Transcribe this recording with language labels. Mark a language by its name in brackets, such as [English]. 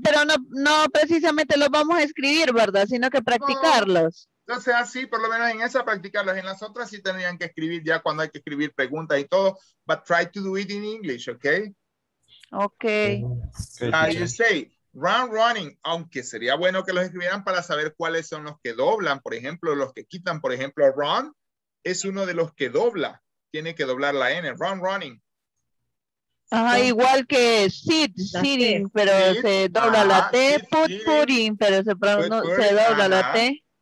[Spanish] Pero no precisamente los vamos a escribir, ¿verdad? Sino que practicarlos. No, o sea, sí, por lo menos en esa practicarlos. En las otras sí tendrían que escribir ya cuando hay que escribir preguntas y todo. [English] But try to do it in English, okay? Okay. How you say, run running. [Spanish] Aunque sería bueno que los escribieran para saber cuáles son los que doblan. Por ejemplo, los que quitan, por ejemplo, run es uno de los que dobla. Tiene que doblar la N, run running. Ajá, igual que sitting, pero se dobla la T, putting, pero se dobla la T.